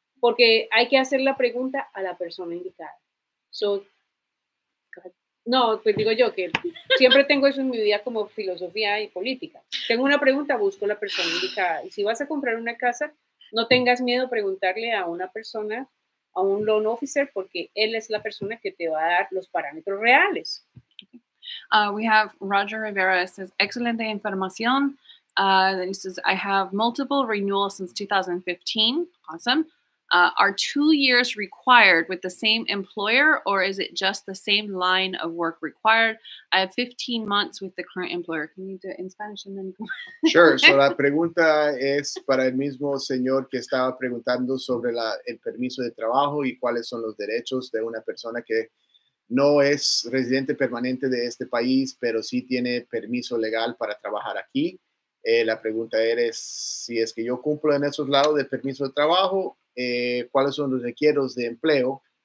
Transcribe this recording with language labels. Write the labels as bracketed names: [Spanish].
[Spanish] Porque hay que hacer la pregunta a la persona indicada. So, no, pues digo yo que siempre tengo eso en mi vida como filosofía y política. Tengo una pregunta, busco la persona indicada. Y si vas a comprar una casa, no tengas miedo a preguntarle a una persona, a un loan officer, porque él es la persona que te va a dar los parámetros reales. [English] We have Roger Rivera says, [Spanish] excelente información. [English] Then he says, I have multiple renewals since 2015. Awesome. Are 2 years required with the same employer or is it just the same line of work required? I have 15 months with the current employer. Can you do it in Spanish and then? Sure. [Spanish] So la pregunta es para el mismo señor que estaba preguntando sobre el permiso de trabajo y cuáles son los derechos de una persona que no es residente permanente de este país, pero sí tiene permiso legal para trabajar aquí. La pregunta es, si es que yo cumplo en esos lados de permiso de trabajo, ¿cuáles son los requisitos de empleo?